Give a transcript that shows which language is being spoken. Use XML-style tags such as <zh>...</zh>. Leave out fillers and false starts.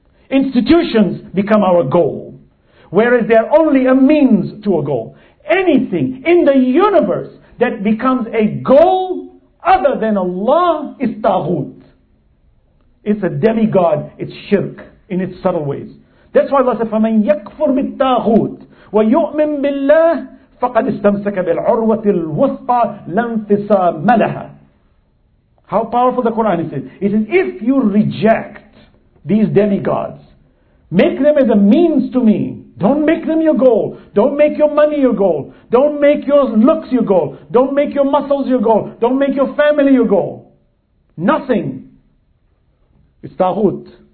<en>Institutions become our goal. Whereas they're only a means to a goal. Anything in the universe that becomes a goal other than Allah is taghut. It's a demigod. It's shirk in its subtle ways. That's why Allah said,</en> <ar>فَمَنْ يَكْفُرْ بِالتَّاغُوتِ وَيُؤْمِنْ بِاللَّهِ فَقَدْ اسْتَمْسَكَ بِالْعُرْوَةِ الْوُثْقَى لَنْفِسَى مَلَهَا.</ar> <en>How powerful the Quran is. It says, if you reject these demigods, make them as a means to me. Don't make them your goal. Don't make your money your goal. Don't make your looks your goal. Don't make your muscles your goal. Don't make your family your goal. Nothing. It's taghut.</en>